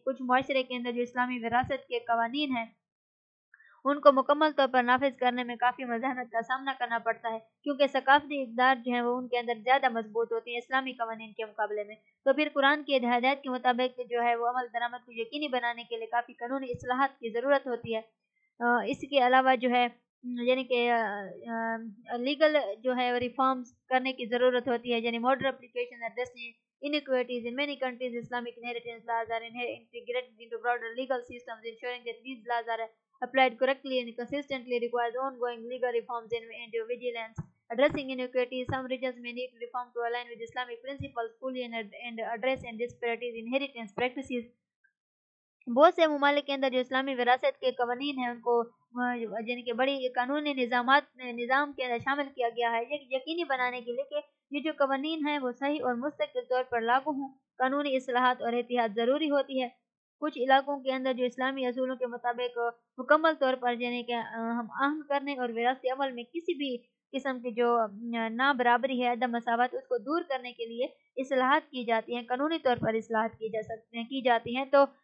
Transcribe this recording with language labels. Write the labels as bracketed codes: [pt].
[ur] کچھ معاشرے کے اندر جو اسلامی وراثت کے قوانین ہیں ان کو مکمل طور پر نافذ کرنے میں کافی مزاحمت کا سامنا کرنا پڑتا ہے کیونکہ ثقافتی اقدار جو ہیں وہ ان کے اندر زیادہ مضبوط ہوتی ہیں اسلامی قوانین کے مقابلے میں. تو پھر قرآن کی ہدایات کے مطابق جو ہے وہ عمل درآمد کو یقینی بنانے کے لیے کافی قانونی اصلاحات کی ضرورت ہوتی ہے. اس کے علاوہ جو ہے یعنی کہ لیگل جو ہے ریفارمز کرنے کی ضرورت ہوتی ہے یعنی modern application addressing [en] inequities in many countries Islamic inheritance laws are integrated into broader legal systems ensuring that these laws are applied correctly and consistently requires ongoing legal reforms and vigilance addressing inequities. Some regions may need reform to align with Islamic principles fully and address and disparities inheritance practices. [ur] بہت سے ممالک کے اندر جو اسلامی وراثت کے قوانین ہیں ان کو یعنی کہ بڑی قانونی نظامات نظام کے اندر شامل کیا گیا ہے یقینی بنانے کے لیے کہ یہ جو قوانین ہیں وہ صحیح اور مستقل طور پر لاگو ہوں. قانونی اصلاحات اور احتیاط ضروری ہوتی ہے. کچھ علاقوں کے اندر جو اسلامی اصولوں کے مطابق مکمل طور پر یعنی کہ ہم اہم کرنے اور وراثتی عمل میں کسی بھی قسم کی جو نا برابری ہے عدم مساوات اس کو دور کرنے کے لیے اصلاحات کی جاتی ہیں قانونی طور پر اصلاحات کی جا سکتی ہیں کی جاتی ہیں تو